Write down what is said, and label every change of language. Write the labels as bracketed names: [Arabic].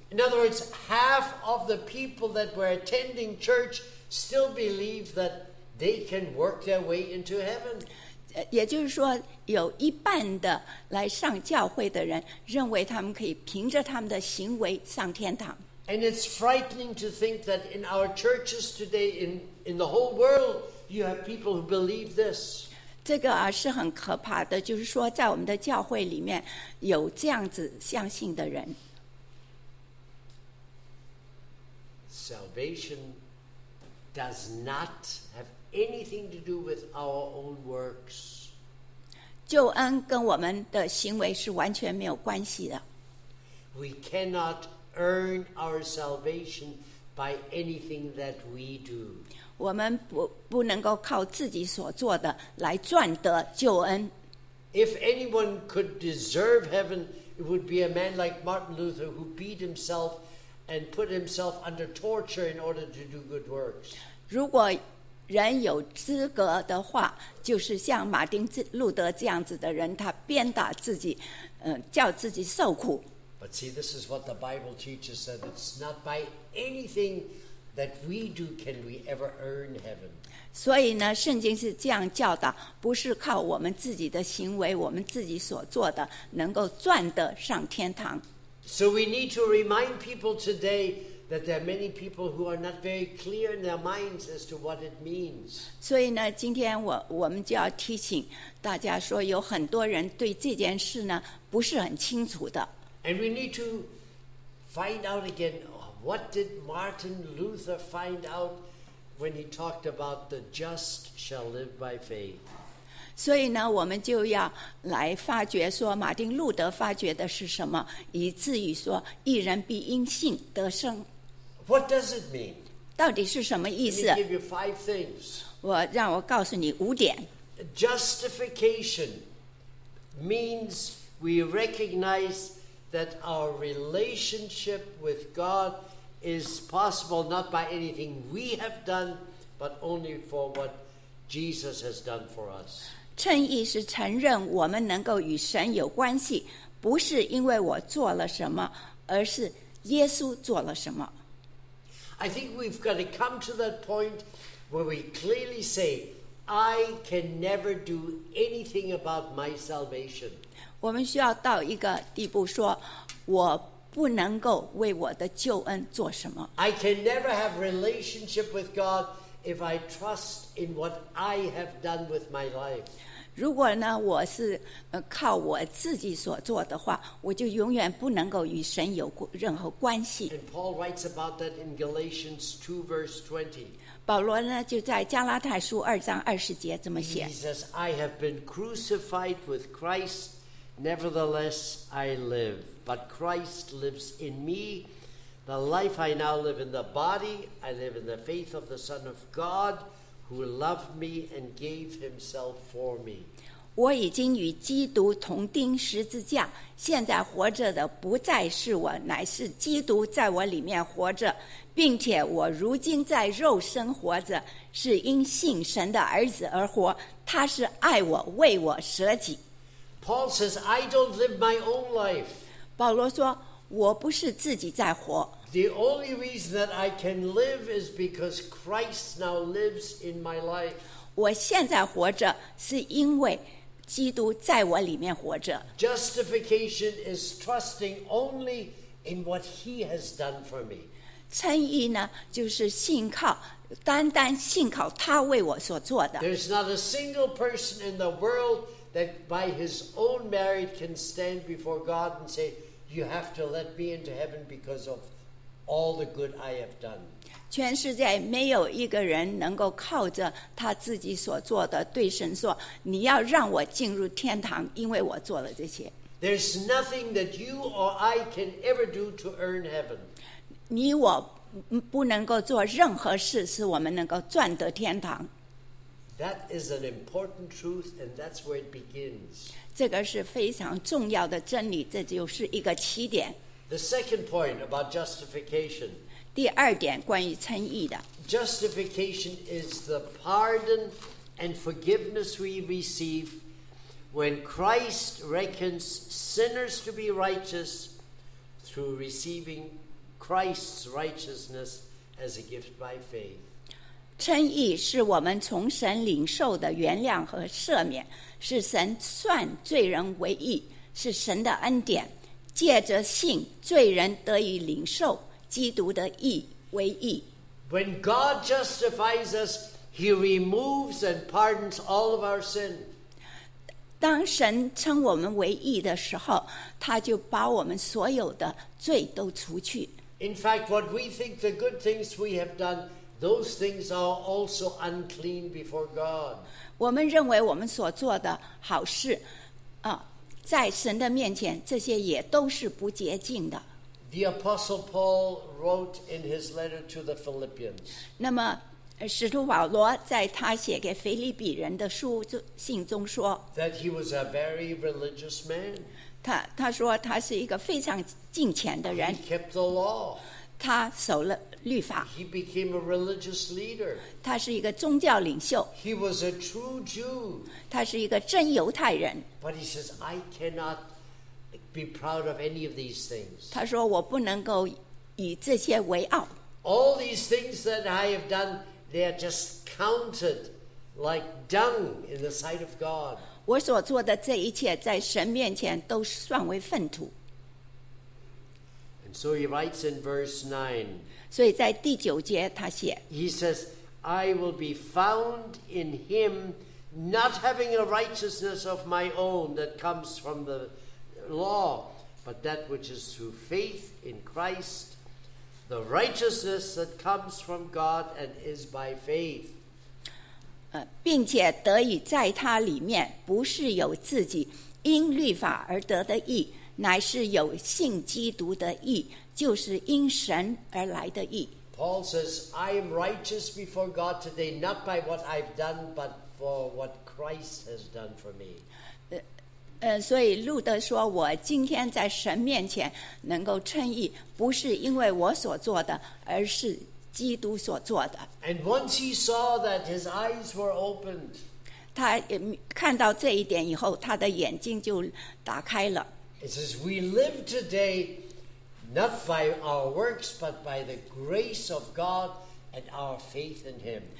[English] In other words, half of the people that were attending church still believe that they can work their way into heaven. [Chinese] 也就是说有一半的来上教会的人认为他们可以凭着他们的行为上天堂。 [English] And it's frightening to think that in our churches today in the whole world you have people who believe this. [Chinese] 这个是很可怕的，就是说在我们的教会里面有这样子相信的人。 [English] Salvation does not haveanything to do with our own works. [Chinese] 救恩跟我们的行为是完全没有关系的。 [English] We cannot earn our salvation by anything that we do. [Chinese] 我们不能够靠自己所做的来赚得救恩。 [English] If anyone could deserve heaven, it would be a man like Martin Luther who beat himself and put himself under torture in order to do good works. [Chinese] 如果人有资格的话，就是像马丁路德这样子的人，他鞭打自己，叫自己受苦。 [English] But see, this is what the Bible teaches, that it's not by anything that we do can we ever earn heaven. [Chinese] 所以呢，圣经是这样教导，不是靠我们自己的行为，我们自己所做的，能够赚得上天堂。 [English] So we need to remind people today that there are many people who are not very clear in their minds as to what it means. [Chinese] 所以呢，今天我们就要提醒大家说，有很多人对这件事呢不是很清楚的。 [English] And we need to find out again, what did Martin Luther find out when he talked about the just shall live by faith? [Chinese] 所以呢，我们就要来发掘说，马丁路德发掘的是什么，以至于说一人必因信得生。 [English] What does it mean? [Chinese] 到底是什么意思？ [English] Let me give you five things. [Chinese] 让我告诉你五点。 [English] Justification means we recognize that our relationship with God is possible not by anything we have done, but only for what Jesus has done for us. [Chinese] 称义是承认我们能够与神有关系，不是因为我做了什么，而是耶稣做了什么。 [English] I think we've got to come to that point where we clearly say, I can never do anything about my salvation. [Chinese] 我们需要到一个地步说，我不能够为我的救恩做什么。 [English] I can never have relationship with God. If I trust in what I have done with my life, [Chinese] 如果呢我是靠我自己所做的话，我就永远不能够与神有任何关系。 [English] And Paul writes about that in Galatians 2 verse 20. [Chinese] 保罗呢就在加拉太书二章二十节这么写。 [English] He says, "I have been crucified with Christ; nevertheless, I live, but Christ lives in me." The life I now live in the body, I live in the faith of the Son of God, who loved me and gave himself for me. [Chinese] 我已经与基督同钉十字架，现在活着的不再是我，乃是基督在我里面活着，并且我如今在肉身活着，是因信神的儿子而活，他是爱我，为我舍己。 [English] Paul says, I don't live my own life. [Chinese] 保罗说我不是自己在活。 [English] The only reason that I can live is because Christ now lives in my life. [Chinese] 我现在活着是因为基督在我里面活着。 [English] Justification is trusting only in what He has done for me. [Chinese] 称义呢，就是信靠，单单信靠他为我所做的。 [English] There's not a single person in the world that by his own merit can stand before God and say,You have to let me into heaven because of all the good I have done. [Chinese] 全世界没有一个人能够靠着他自己所做的对神说，你要让我进入天堂，因为我做了这些。 [English] There's nothing that you or I can ever do to earn heaven. [Chinese] 你我不能够做任何事使我们能够赚得天堂。 [English] That is an important truth, and that's where it begins. [Chinese] 这个是非常重要的真理，这就是一个起点。 [English] The second point about justification. [Chinese] 第二点关于称义的。 [English] Justification is the pardon and forgiveness we receive when Christ reckons sinners to be righteous through receiving Christ's righteousness as a gift by faith. [Chinese] 称义是我们从神领受的原谅和赦免。是神算罪人为义，是神的恩典，借着信罪人得以领受基督的义为义。 [English] When God justifies us, He removes and pardons all of our sin. [Chinese] 当神称我们为义的时候，他就把我们所有的罪都除去。 [English] In fact, what we think the good things we have done, those things are also unclean before God. [Chinese] 我们认为我们所做的好事，在神的面前，这些也都是不洁净的。 [English] The Apostle Paul wrote in his letter to the Philippians. [Chinese] 那么，使徒保罗在他写给腓立比人的书信中说 [English] ，That he was a very religious man. [Chinese] 他说他是一个非常敬虔的人。 [English] He kept the law. [Chinese] 他守了。律法。 [English] He became a religious leader. [Chinese] 他是一个宗教领袖。 [English] He was a true Jew. [Chinese] 他是一个真犹太人。 [English] But he says, I cannot be proud of any of these things. [Chinese] 他说我不能够以这些为傲。 [English] All these things that I have done, they are just counted like dung in the sight of God. [Chinese] 我所做的这一切在神面前都算为粪土。 [English] And so he writes in verse 9. [Chinese] 所以在第九节他写 [English] He says, I will be found in him, not having a righteousness of my own that comes from the law, but that which is through faith in Christ, the righteousness that comes from God and is by faith. [Chinese] 并且得以在他里面，不是有自己因律法而得的义，乃是有信基督的义，就是因神而来的义。 [English] Paul says, I am righteous before God today, not by what I've done, but for what Christ has done for me. [Chinese] 所以路德说，我今天在神面前能够称义，不是因为我所做的，而是基督所做的。 [English] And once he saw that his eyes were opened, [Chinese] 他看到这一点以后，他的眼睛就打开了。 [English] It says, we live today not by our works, but by the grace of God and our faith in Him.